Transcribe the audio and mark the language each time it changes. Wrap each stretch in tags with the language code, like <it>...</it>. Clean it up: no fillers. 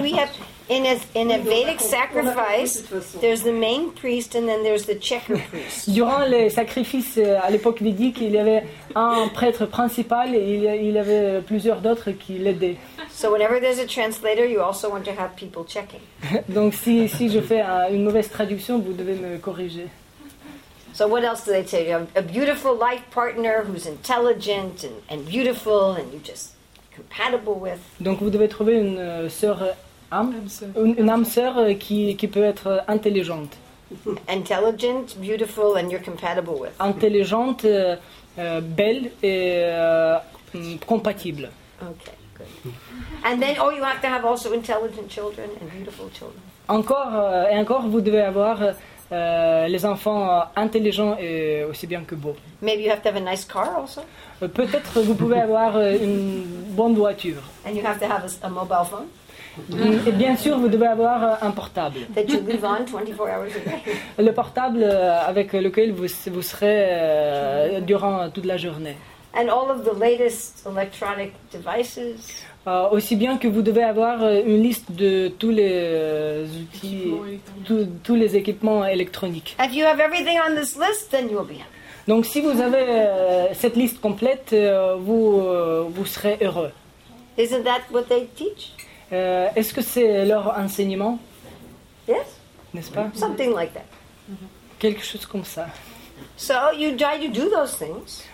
<en>We have in a Vedic sacrifice, there's the main priest and then there's the checker priest.</en> <fr>Durant les sacrifices à l'époque védique, il y avait un prêtre principal et il y avait plusieurs d'autres qui l'aidaient.</fr> <en>So whenever there's a translator, you also want to have people checking.</en> <fr>Donc si je fais une mauvaise traduction, vous devez me corriger.</fr> <en>So what else do they tell you? A beautiful life partner who's intelligent and beautiful, and you just compatible with.</en> <fr>Donc vous devez trouver une sœur une âme sœur qui peut être intelligente.</fr> <en>Intelligent, beautiful, and you're compatible with.</en> <fr>Intelligente, belle et compatible.</fr> <en>Okay, good. And then, oh, you have to have also intelligent children and beautiful children.</en> <fr>Encore et encore, vous devez avoir les enfants intelligents et aussi bien que beaux.</fr> <en>Maybe you have to have a nice car also.</en> <fr>Peut-être vous pouvez avoir une bonne voiture.</fr> <en>And you have to have a mobile phone.</en> <fr>Et bien sûr, vous devez avoir un portable.</fr> <en>That you live on 24 hours a day.</en> <fr>Le portable avec lequel vous serez durant toute la journée.</fr> <en>And all of the latest electronic devices.</en> <fr>Aussi bien que vous devez avoir une liste de tous les outils, tous les équipements électroniques.</fr> <en>If you have everything on this list, then you will be happy.</en> <fr>Donc si vous avez cette liste complète, vous serez heureux.</fr> <en>Isn't that what they teach?</en> <fr>Est-ce que c'est leur enseignement?</fr> <en>Yes.</en> <fr>N'est-ce pas?</fr> <en>Something like that.</en> <fr>Quelque chose comme ça.</fr> <en>So you try to do those things.</en>